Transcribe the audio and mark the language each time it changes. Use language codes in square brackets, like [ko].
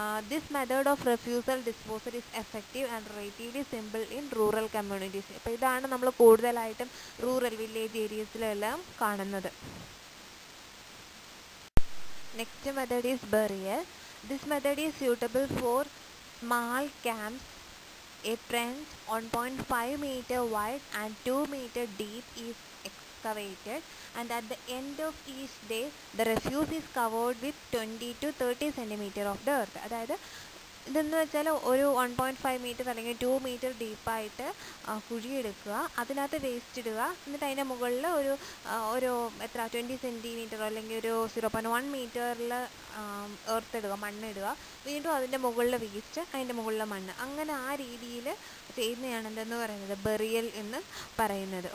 [en] This method of refusal disposal is effective and relatively simple in rural communities. [ml] ഇപ്പോൾ ഇതാണ് നമ്മൾ കൂടുതലായിട്ടും rural village ഏരിയസിലെല്ലാം കാണുന്നത്. [en] Next method is burial. This method is suitable for small camps. A trench 1.5 meters wide and 2 meters deep is excavated and at the end of each day the refuse is covered with 20 to 30 centimeter of the earth. [ml] That is, ഇതെന്ന് വെച്ചാൽ ഒരു 1.5 meters അല്ലെങ്കിൽ 2 meters ഡീപ്പായിട്ട് കുഴി എടുക്കുക, അതിനകത്ത് waste ഇടുക, എന്നിട്ട് അതിൻ്റെ മുകളിൽ ഒരു ഒരു എത്ര 20 centimeters അല്ലെങ്കിൽ ഒരു 0.1 meters എർത്ത് ഇടുക, മണ്ണിടുക, വീണ്ടും അതിൻ്റെ മുകളിൽ വേസ്റ്റ്, അതിൻ്റെ മുകളിൽ മണ്ണ്, അങ്ങനെ ആ രീതിയിൽ ചെയ്യുന്നതാണ് എന്തെന്ന് പറയുന്നത്, ബെറിയൽ എന്ന് പറയുന്നത്.